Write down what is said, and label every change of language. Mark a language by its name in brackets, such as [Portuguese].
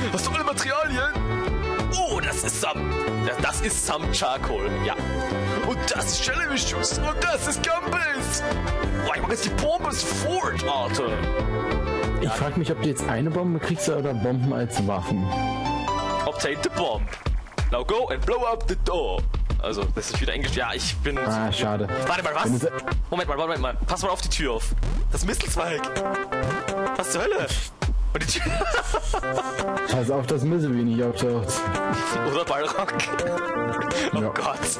[German] Hast du alle Materialien? Oh, das ist Sam. Das ist Sam Charcoal, ja. Und das ist Jellyfishus. Und das ist Gumbis. Boah, ich mach jetzt die Bombe sofort, Alter. Ja. Ich frag mich, ob du jetzt eine Bombe kriegst oder Bomben als Waffen. [English] Obtain the bomb. Now go and blow up the door. [German] Also, das ist wieder Englisch. Ja, ich bin... Ah, schade. Warte mal, was? Moment mal. Pass mal auf die Tür auf. Das Mistelzweig. Was zur Hölle? Und die Tür... Pass auf das Misselwini, Jobshot. Oder Balrog. Oh ja. Gott.